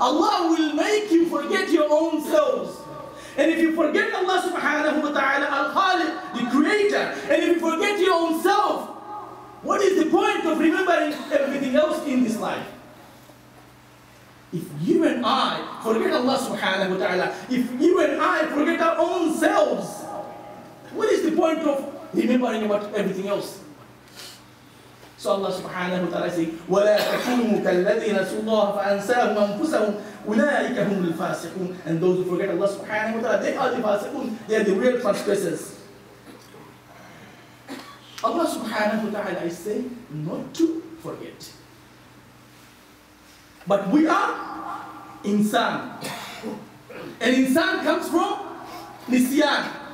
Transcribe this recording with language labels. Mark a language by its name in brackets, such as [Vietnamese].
[English] Allah will make you forget your own selves. And if you forget Allah subhanahu wa ta'ala, Al-Khaliq, the Creator, and if you forget your own self, what is the point of remembering everything else in this life? If you and I forget Allah subhanahu wa ta'ala, if you and I forget our own selves, what is the point of remembering about everything else? So Allah subhanahu wa ta'ala says, [Arabic] وَلَا تَكُونُوا كَالَّذِينَ نَسُوا اللَّهَ فَأَنْسَاهُمْ أَنْفُسَهُمْ أُولَٰئِكَ هُمُ الْفَاسِقُونَ. [English] And those who forget Allah subhanahu wa ta'ala, they are the fasiqun, they are the real transgressors. Allah subhanahu wa ta'ala is saying not to forget. But we are insan. And insan comes from nisyan.